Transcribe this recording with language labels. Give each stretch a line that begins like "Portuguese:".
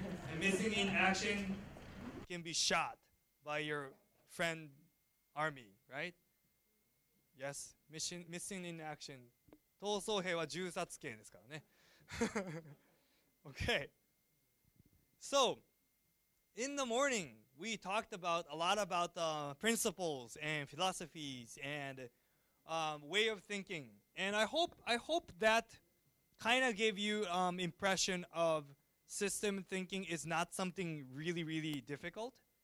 English: And missing in action can be shot by your friend army, right? Yes, missing in action.
Japanese: 逃走兵は銃殺刑ですからね。
English: Okay. So, in the morning, we talked about a lot about principles and philosophies and way of thinking. And I hope that kind of gave you an impression of system thinking is not something really, really difficult.